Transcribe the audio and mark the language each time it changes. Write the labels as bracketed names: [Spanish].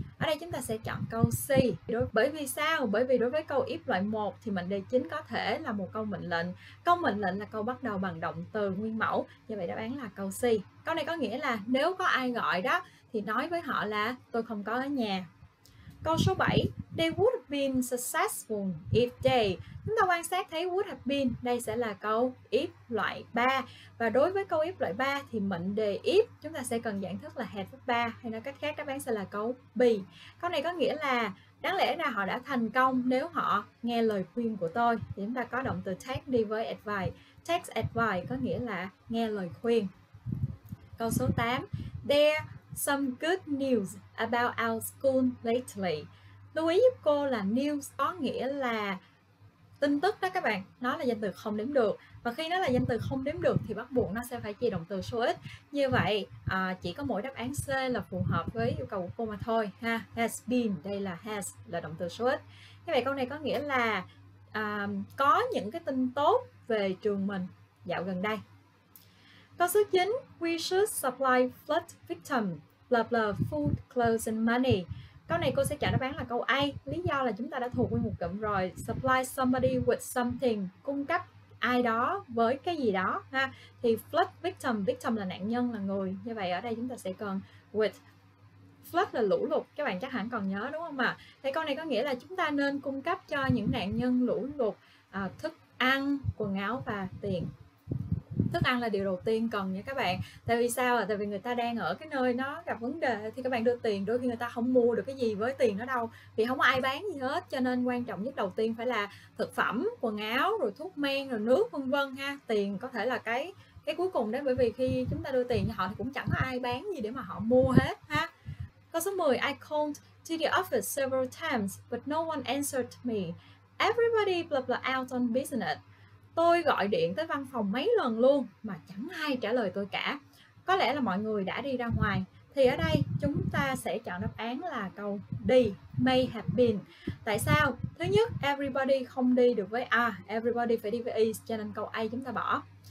[Vietnamese] Ở đây chúng ta sẽ chọn câu C. Bởi vì sao? Bởi vì đối với câu if loại 1 thì mệnh đề chính có thể là một câu mệnh lệnh. Câu mệnh lệnh là câu bắt đầu bằng động từ nguyên mẫu. Như vậy đáp án là câu C. Câu này có nghĩa là nếu có ai gọi đó thì nói với họ là tôi không có ở nhà. Câu số 7, [English] they would have been successful if they. [Vietnamese] Chúng ta quan sát thấy would have been, đây sẽ là câu if loại 3. Và đối với câu if loại 3 thì mệnh đề if chúng ta sẽ cần dạng thức là had verb 3, hay nói cách khác đáp án sẽ là câu be. Câu này có nghĩa là đáng lẽ ra họ đã thành công nếu họ nghe lời khuyên của tôi. Thì chúng ta có động từ take đi với advice. [English] Take advice [Vietnamese] có nghĩa là nghe lời khuyên. Câu số 8, [English] there some good news about our school lately. [Vietnamese] Lưu ý giúp cô là news có nghĩa là tin tức đó các bạn. Nó là danh từ không đếm được. Và khi nó là danh từ không đếm được thì bắt buộc nó sẽ phải chia động từ số ít. Như vậy chỉ có mỗi đáp án C là phù hợp với yêu cầu của cô mà thôi ha. Has been, đây là has, là động từ số ít. Như vậy câu này có nghĩa là có những cái tin tốt về trường mình dạo gần đây. Câu số 9, [English] we should supply flood victim, blah blah, food, clothes and money. [Vietnamese] Câu này cô sẽ trả đáp án là câu A. Lý do là chúng ta đã thuộc nguyên một cụm rồi. [English] Supply somebody with something, [Vietnamese] cung cấp ai đó với cái gì đó ha. Thì flood victim, victim là nạn nhân, là người. Như vậy ở đây chúng ta sẽ cần with. Flood là lũ lụt, các bạn chắc hẳn còn nhớ đúng không ạ? Thì câu này có nghĩa là chúng ta nên cung cấp cho những nạn nhân lũ lụt thức ăn, quần áo và tiền. Thức ăn là điều đầu tiên cần nha các bạn. Tại vì sao? Tại vì người ta đang ở cái nơi nó gặp vấn đề, thì các bạn đưa tiền, đôi khi người ta không mua được cái gì với tiền đó đâu, vì không có ai bán gì hết. Cho nên quan trọng nhất đầu tiên phải là thực phẩm, quần áo, rồi thuốc men, rồi nước vân vân ha. Tiền có thể là cái cuối cùng đấy, bởi vì khi chúng ta đưa tiền thì họ cũng chẳng có ai bán gì để mà họ mua hết ha. Câu số 10, [English] I called to the office several times, but no one answered me. Everybody blah blah out on business. [Vietnamese] Tôi gọi điện tới văn phòng mấy lần luôn mà chẳng ai trả lời tôi cả. Có lẽ là mọi người đã đi ra ngoài. Thì ở đây chúng ta sẽ chọn đáp án là câu D, may have been. Tại sao? Thứ nhất, everybody không đi được với A, everybody phải đi với E, cho nên câu A chúng ta bỏ.